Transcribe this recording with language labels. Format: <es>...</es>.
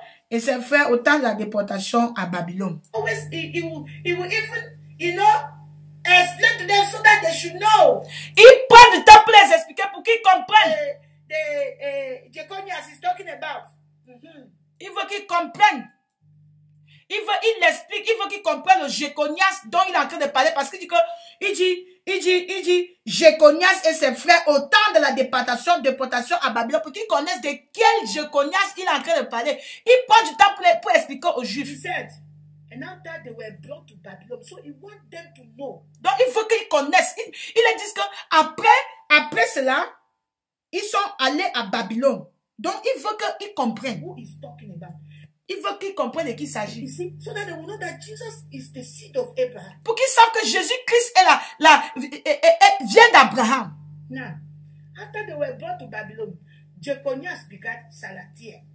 <fr>Et ses frères au temps de la déportation à Babylone.</fr> <en>Always he will even you know explain to them so that they should know.</en> <fr>Il prend du temps pour les expliquer pour qu'ils comprennent.</fr> <en>Jeconias is talking about.</en> <fr>Mm-hmm. Il veut qu'ils comprennent. Il l'explique. Il veut qu'ils comprennent le Jeconias dont il est en train de parler parce qu'il dit que il dit Jéconias et ses frères au temps de la déportation à Babylone pour qu'ils connaissent de quel Jéconias il est en train de parler. Il prend du temps pour expliquer aux Juifs.</fr> <en>He said, and after they were brought to Babylon, so he want them to know.</en> <fr>Donc il veut qu'ils connaissent. Il leur dit que après cela, ils sont allés à Babylone. Donc il veut qu'ils comprennent.</fr> <en>Who is talking about?</en> <fr>Il veut qu'ils comprennent de qui il s'agit.</fr> <en>So that they will know that Jesus is the seed of Abraham.</en> <fr>Pour qu'ils savent que Jésus-Christ est vient d'Abraham.</fr> <en>Now, after they were brought to Babylon, Jeconias begat Salathiel.</en>